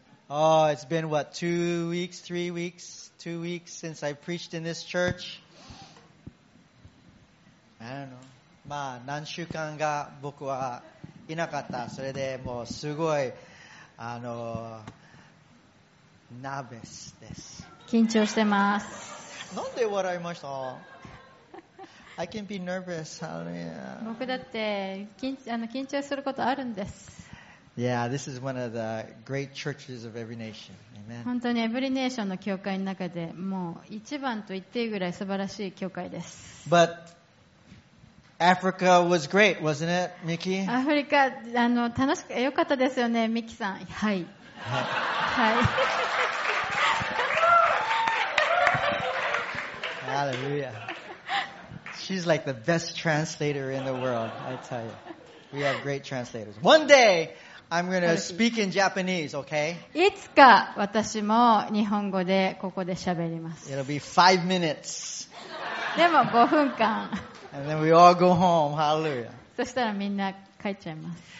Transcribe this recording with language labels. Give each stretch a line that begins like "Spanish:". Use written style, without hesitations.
English: Oh, it's been, what, 2 weeks, 3 weeks, 2 weeks since I preached in this church? I don't know.
Japanese: まあ、何週間が僕はいなかった。それでもうすごい、ナーベスです。緊張してます。なんで笑いました？
English: I can be nervous. Hallelujah.
Japanese: 僕だって緊張することあるんです。
English: Yeah, this is one of the great churches of every nation. Amen.
Japanese: 本当にエブリネーションの教会の中でもう一番と言っていいぐらい素晴らしい教会です。
English: But Africa was great, wasn't it, Miki?
Japanese: アフリカ楽しく良かったですよね、ミキさん。はい。はい。
English: Hallelujah. She's like the best translator in the world, I tell you. We have great translators. One day, I'm gonna speak in Japanese, okay?
Japanese: いつか私も日本語でここで喋ります。
English: It'll be 5 minutes.
Japanese: でも5分間。
English: And then we all go home, hallelujah.
Japanese: そしたらみんな帰っちゃいます。